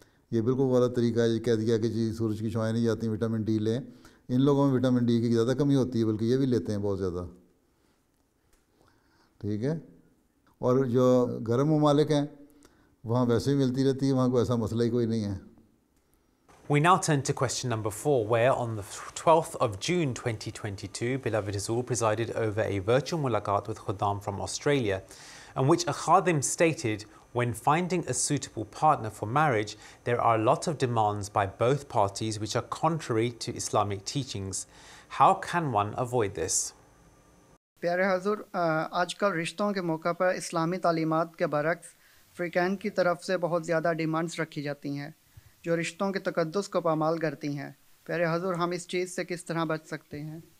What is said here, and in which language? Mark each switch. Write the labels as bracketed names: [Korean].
[Urdu] یہ بالکل غلط طریقہ ہے, یہ کہہ دیا کہ جی سورج کی شعائیں نہیں جاتی, وٹامن ڈی لیں. ان لوگوں میں وٹامن ڈی کی زیادہ کمی ہوتی ہے بلکہ یہ بھی لیتے ہیں بہت زیادہ. ٹھیک ہے, اور جو گرم ممالک ہیں وہاں ویسے ہی ملتی رہتی ہے، وہاں کوئی ایسا مسئلہ ہی کوئی نہیں ہے. [English] We now turn to question number four, where on the 12th of June 2022, Beloved Hazur presided over a virtual mulaqat with Khuddam from Australia, in which a Khadim stated, when finding a suitable partner for marriage, there are a lot of demands by both parties which are contrary to Islamic teachings. How can one avoid this? [Urdu] پیارے حضور، آج کل رشتوں کے موقع پر اسلامی تعلیمات کے برعکس فریقین کی طرف سے بہت زیادہ ڈیمانڈس رکھی جاتی ہیں جو رشتوں کے تقدس کو پامال کرتی ہیں. پیارے حضور، ہم اس چیز سے کس طرح بچ سکتے ہیں؟